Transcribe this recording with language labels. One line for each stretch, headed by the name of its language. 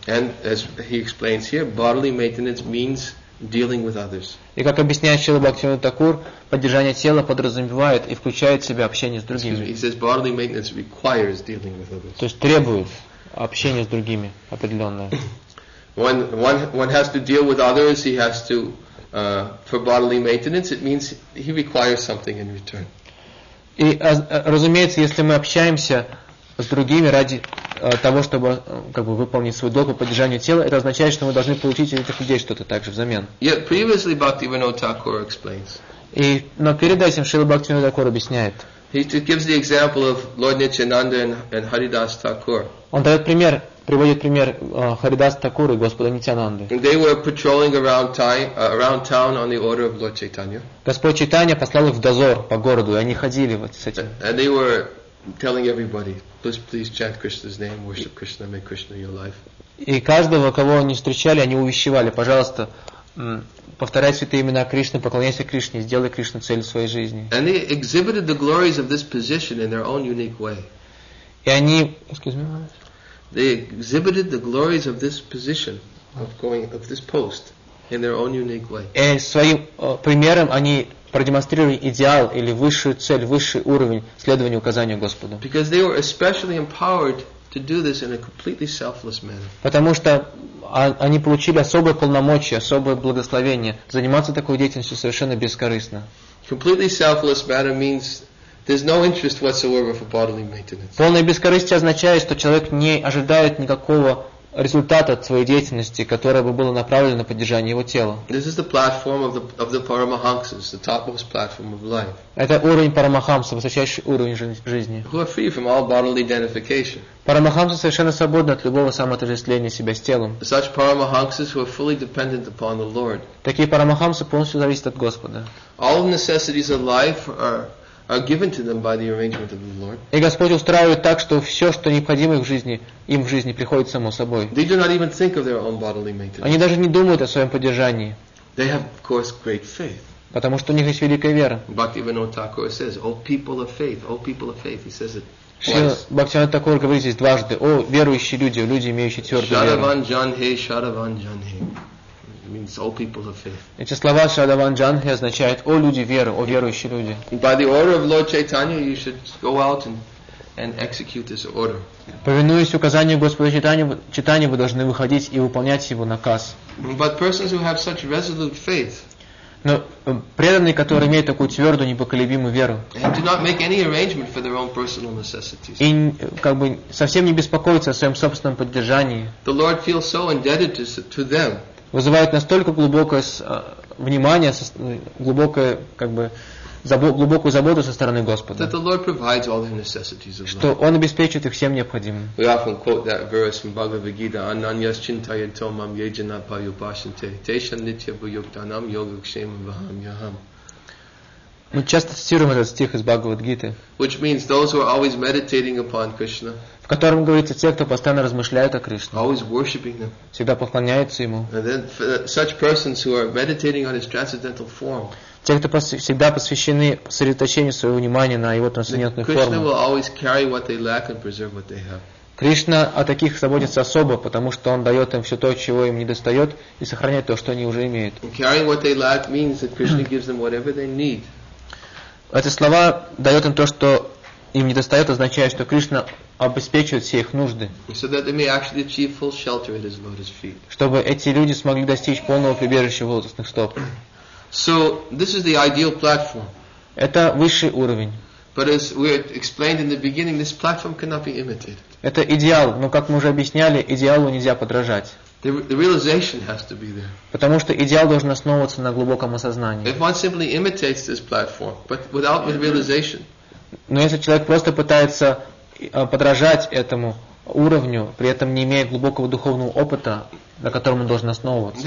English: And as he explains here, bodily maintenance means dealing with others.
Russian: И как объясняет Шрила Бхактивинода Тхакур, поддержание тела подразумевает и включает в себя общение с другими.
English: Excuse me, he says bodily maintenance requires dealing with others.
Russian: То есть требует общения с другими определенное.
English: One has to deal with others, he has to for bodily maintenance, it means he requires something in return.
Russian: И разумеется, если мы общаемся с другими ради того, чтобы как бы выполнить свой долг по поддержанию тела, это означает, что мы должны получить от этих людей что-то также взамен.
English: Yet previously Bhaktivinoda Thakur explains.
Russian: И, но перед этим Шрила Бхактивинода Тхакур объясняет.
English: He gives the example of Lord Nityananda and Haridas Thakur.
Russian: Он дает пример приводит пример Харидас Такуры, Господа Нитянанды.
English: They were patrolling around, around town on the order of Lord Chaitanya.
Russian: Господь Чайтанья послал их в дозор по городу, и они ходили вот с этим.
English: And they were telling everybody, please, please chant Krishna's name, worship Krishna, make Krishna your life.
Russian: И каждого, кого они встречали, они увещевали, пожалуйста, повторяй святые имена Кришны, поклоняйся Кришне, сделай Кришну целью своей жизни.
English: And they exhibited the glories of this position in their own unique way.
Russian: И они,
English: excuse me, they exhibited the glories of this position of going of this post in their own unique way.
Russian: И своим примером они продемонстрировали идеал или высшую цель, высший уровень следования указанию Господа.
English: Because they were especially empowered to do this in a completely selfless manner.
Russian: Потому что они получили особое полномочие, особое благословение заниматься такой деятельностью совершенно бескорыстно.
English: Completely selfless manner means there's no interest whatsoever for bodily maintenance.
Russian: Полное бескорыстие означает, что человек не ожидает никакого результата от своей деятельности, которая бы была направлена на поддержание его тела.
English: This is the platform of the Paramahamsas, the topmost platform of life.
Russian: Это уровень Парамахамса, высочайший уровень жизни.
English: Who are free from all bodily identification.
Russian: Парамахамсы совершенно свободны от любого самоотождествления себя с телом.
English: Such Paramahamsas who are fully dependent upon the Lord.
Russian: Такие Парамахамсы полностью зависят от Господа.
English: All necessities of life are given to them by the arrangement of the Lord.
Russian: И Господь устраивает так, что все, что необходимо в жизни, им в жизни приходит само собой.
English: They do not even think of their own bodily maintenance.
Russian: Они даже не думают о своем поддержании.
English: They have, of course, great faith.
Russian: Потому что у них есть великая вера.
English: Bhaktivinoda Thakur says, "O people of faith, O people of faith." He says it twice.
Russian: Бхактивинода Такур говорит здесь дважды: "О верующие люди, люди имеющие твердую веру."
Bangla: Шадаван Джанхе, Шадаван Джанхе.
English: Means all people of faith.
Russian: Эти слова Шадаван Джанхи означают о люди веры, о верующие люди.
English: By the order of Lord Chaitanya, you should go out and execute this order.
Russian: Повинуясь указанию Господа Чайтаньи, вы должны выходить и выполнять его наказ.
English: But persons who have such resolute faith.
Russian: Но преданные, которые имеют такую твердую, непоколебимую веру, и как бы совсем не беспокоятся о своем собственном поддержании.
English: The Lord feels so indebted to them.
Russian: Вызывает настолько глубокое внимание, глубокое, как бы, глубокую заботу со стороны Господа,
English: that the Lord provides all their necessities of life.
Russian: Что Он обеспечивает их всем необходимым.
English: We often quote that verse from Bhagavad Gita:
Sanskrit: "Ananyas chintayantomam yejana payupashante teshan nitya buyuktanam yogakshemam vahamyaham."
Russian: Мы часто цитируем этот стих из Бхагавад-гиты,
English: which means those who are always meditating upon Krishna,
Russian: в котором говорится, те, кто постоянно размышляют о Кришне,
English: always worshiping them,
Russian: всегда поклоняются Ему.
English: And then such persons who are meditating on His transcendental form,
Russian: те, кто всегда посвящены сосредоточению своего внимания на Его трансцендентную форму,
English: Krishna will always carry what they lack and preserve what they have.
Russian: Кришна о таких заботится особо, потому что Он дает им все то, чего им не достает, и сохраняет то, что они уже имеют.
English: And carrying what they lack means that Krishna gives them whatever they need.
Russian: Эти слова дают им то, что им не достает, означает, что Кришна обеспечивает все их нужды.
English: So that they may actually achieve full shelter at His lotus feet.
Russian: Чтобы эти люди смогли достичь полного прибежища в лотосных стоп.
English: So this is the ideal platform.
Russian: Это высший уровень.
English: But as we explained in the beginning, this platform cannot be imitated.
Russian: Это идеал, но как мы уже объясняли, идеалу нельзя подражать.
English: The realization has to be there.
Russian: Потому что идеал должен основываться на глубоком осознании.
English: If one simply imitates this platform, but without the realization.
Russian: Но если человек просто пытается подражать этому уровню, при этом не имея глубокого духовного опыта, на котором он должен основываться,